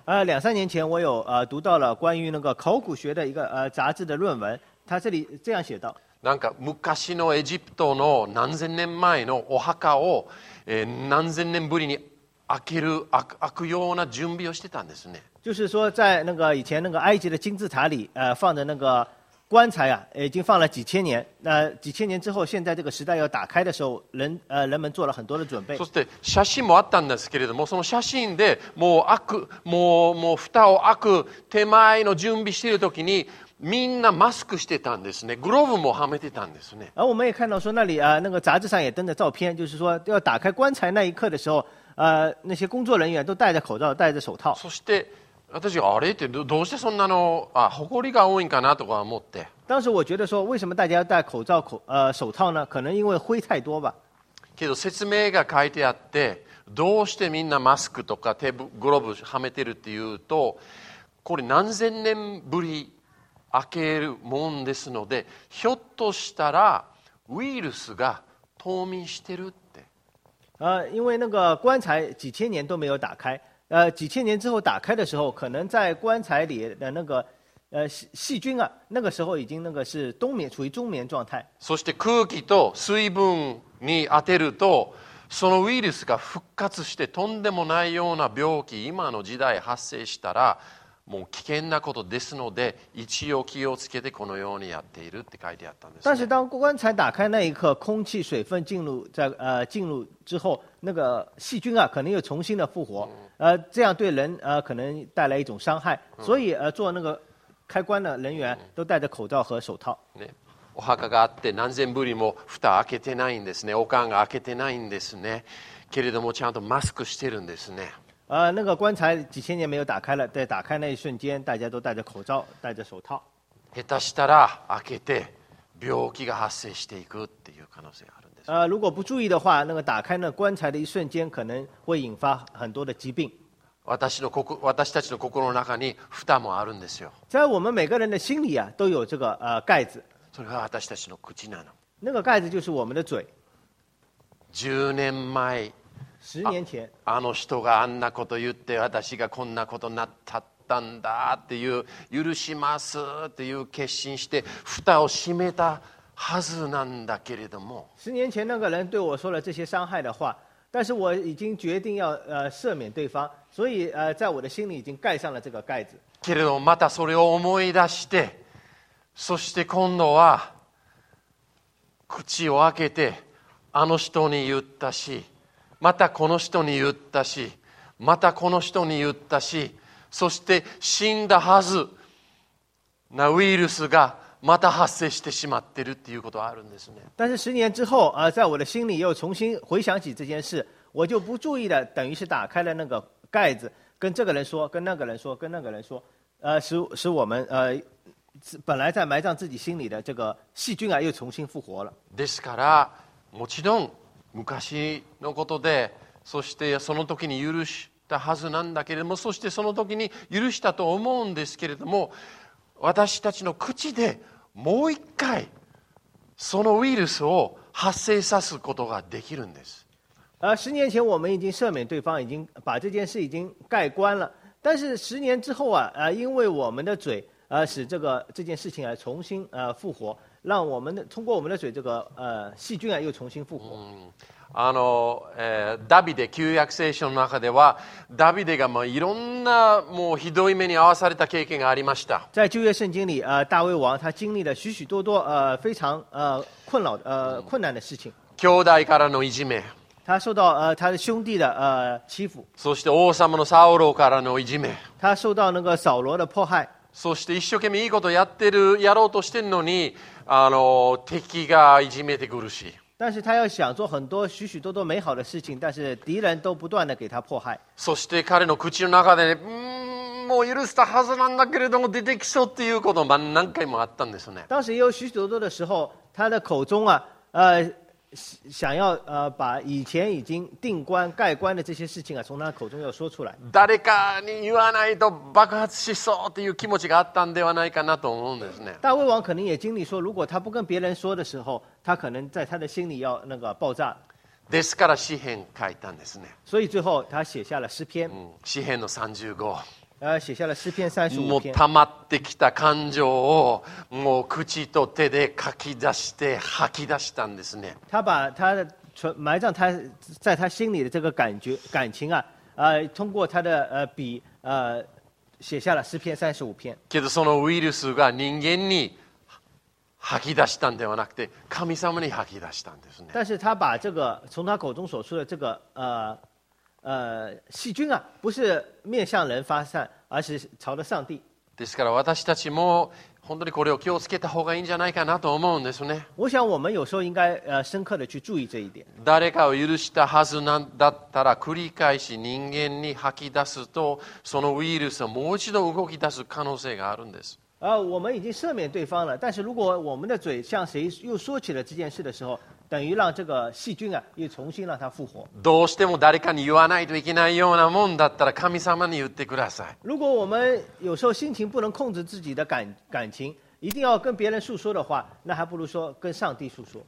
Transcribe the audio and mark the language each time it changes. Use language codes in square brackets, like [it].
[zh] 2、3年前我有读到了关于那个考古学的一个杂志的论文，他这里这样写道。 [ja] なんか昔のエジプトの何千年前のお墓を、何千年ぶりに開くような準備をしてたんですね。 [zh] 就是说在那个以前那个埃及的金字塔里放的那个棺材啊，已经放了几千年。那几千年之后，现在这个时代要打开的时候，人们做了很多的准备。 [ja] そして写真もあったんですけれども、その写真でもう開く、もう蓋を開く手前の準備しているときに、みんなマスクしてたんですね。グローブもはめてたんですね。 [zh] 我们也看到说那里那个杂志上也登着照片，就是说要打开棺材那一刻的时候，那些工作人员都戴着口罩、戴着手套。 [ja] そして私あれってどうしてそんなのほこりが多いんかなとか思って。 [zh] 当时我觉得说，为什么大家要戴口罩、手套呢？可能因为灰太多吧。 [ja] けど説明が書いてあって、どうしてみんなマスクとかグローブはめてるっていうと、これ何千年ぶり開けるもんですので、ひょっとしたらウイルスが冬眠してるって。 [zh] 因为那个棺材几千年都没有打开，几千年之后打开的时候，可能在棺材里的那个细菌啊，那个时候已经那个是冬眠，处于冬眠状态。 [ja] そして空気と水分に当てると。そのウイルスが復活してとんでもないような病気今の時代発生したらもう危険なことですので一応気をつけてこのようにやっているって書いてあったんです、ね、 [zh] 但是当棺材打开那一刻空气水分进 进入之后那个细菌啊可能又重新的复活、嗯、这样对人可能带来一种伤害、嗯、所以做那个开棺的人员都戴着口罩和手套、嗯、ね [ja] お墓があって何千ぶりも蓋開けてないんですね。おかんが開けてないんですね。けれどもちゃんとマスクしてるんですね。 [zh] 那个棺材几千年没有打开了，在打开那一瞬间，大家都戴着口罩，戴着手套。 [ja] 下手したら開けて病気が発生していくっていう可能性があるんです。 [zh] 如果不注意的话，那个打开那棺材的一瞬间，可能会引发很多的疾病。 [ja] 私たちの心の中に蓋もあるんですよ。 [zh] 在我们每个人的心里啊，都有这个盖子。 [ja] それが私たちの口なの。 [zh] 那个盖子就是我们的嘴。 [ja] 10年前、 [zh] 10年前、 [ja] あの人があんなこと言って私がこんなことなったったんだっていう許しますっていう決心して蓋を閉めたはずなんだけれども。 [zh] 10年前那个人对我说了这些伤害的话，但是我已经决定要赦免对方，所以在我的心里已经盖上了这个盖子。 [ja] けれどもまたそれを思い出して。そして今度は口を開けてあの人に言ったしまたこの人に言ったしまたこの人に言ったしそして死んだはずなウイルスがまた発生してしまってるっていうことはあるんですね。 [zh] 但是十年之后在我的心里又重新回想起这件事，我就不注意的等于是打开了那个盖子，跟这个人说，跟那个人说，跟那个人说，使我们本来在埋葬自己心里的这个细菌啊，又重新复活了。 [ja] ですから、もちろん昔のことで、そしてその時に許したはずなんだけれども、そしてその時に許したと思うんですけれども、私たちの口でもう一回そのウイルスを発生さすことができるんです。 [zh] 十年前我们已经赦免对方，已经把这件事已经盖棺了。但是十年之后啊，因为我们的嘴。使这件事情来重新复活，让我们的通过我们的嘴这个细菌啊又重新复活。嗯、 [ja] ダビデ旧約聖書の中ではダビデがまあいろんなもうひどい目に遭わされた経験がありました。 [zh] 在旧約圣经里，大卫王他经历了许许多多非常困扰困难的事情。 [ja] 兄弟からのいじめ。 [zh] 他受到他的兄弟的欺负。 [ja] そして王様のサウロからのいじめ。 [zh] 他受到那个扫罗的迫害。 [ja] そして一生懸命いいことやってるやろうとしてるのに敵がいじめてくるし。 [zh] 但是他要想做很多许许多多美好的事情，但是敌人都不断的给他迫害。 [ja] そして彼の口の中で、ね、もう許したはずなんだけれども出てきそうっていうことも何回もあったんですね。 [zh] 当时有许许多多的时候，他的口中啊，想要把以前已经定棺盖棺的这些事情啊，从他口中要说出来。 [ja] 誰かに言わないと爆発しそうという気持ちがあったんではないかなと思うんですね。 [zh] 大卫王可能也经历说，如果他不跟别人说的时候，他可能在他的心里要那个爆炸。 [ja] ですから詩篇書いたんですね。 [zh] 所以最后他写下了诗篇。嗯、 [ja] 詩篇の35。 [zh] 写下了诗篇35篇。 [ja] もう溜まってきた感情をもう口と手で書き出して吐き出したんですね。 [zh] 他把他的埋葬他在他心里的这个感情啊，通过他的笔写下了诗篇35篇。 [ja] けどそのウイルスが人間に吐き出したんではなくて神様に吐き出したんですね。 [zh] 但是他把这个从他口中所出的这个细菌啊，不是面向人发散，而是朝着上帝。 [ja] ですから私たちも本当にこれを気をつけた方がいいんじゃないかなと思うんですね。 [zh] 我想我们有时候应该深刻的去注意这一点。 [ja] 誰かを許したはずなんだったら繰り返し人間に吐き出すとそのウイルスはもう一度動き出す可能性があるんです。 [zh] 我们已经赦免对方了，但是如果我们的嘴向谁又说起了这件事的时候，等于让这个细菌啊又重新让它复活。 [ja] どうしても誰かに言わないといけないようなもんだったら神様に言ってください。 [zh] 如果我们有时候心情不能控制自己的 感情，一定要跟别人诉说的话，那还不如说跟上帝诉说。